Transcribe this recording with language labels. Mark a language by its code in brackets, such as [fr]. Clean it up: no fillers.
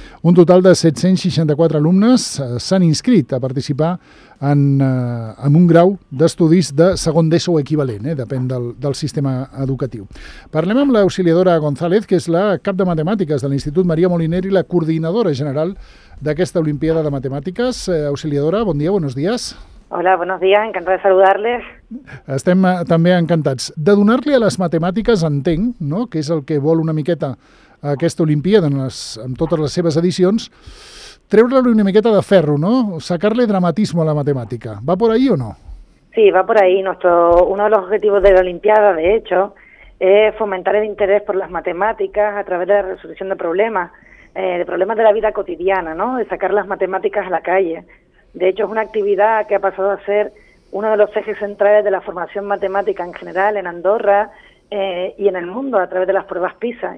[ca] Un total de 764 alumnes s'han inscrit a participar en un grau d'estudis de segon d'ESO equivalent, depèn del sistema educatiu. Parlem amb l'auxiliadora González, que és la cap de matemàtiques de l'Institut Maria Moliner i la coordinadora general d'aquesta Olimpíada de Matemàtiques. Auxiliadora, bon dia, [es] buenos días. Hola, buenos días, encantada de saludarles. [ca] Estem també encantats de donar-li a les matemàtiques, entenc, no?, que és el que vol una miqueta aquesta Olimpíada en totes les seves edicions, treure-li una miqueta de ferro, no?, sacar-li dramatisme a la matemàtica. [es] Va por ahí o no? Sí, va por ahí. Uno de los objetivos de la Olimpiada, de hecho, es fomentar el interés por las matemáticas a través de la resolución de problemas. De problemas de la vida cotidiana, ¿no?, de sacar las matemáticas a la calle. De hecho, es una actividad que ha pasado a ser uno de los ejes centrales de la formación matemática en general en Andorra y en el mundo a través de las pruebas PISA.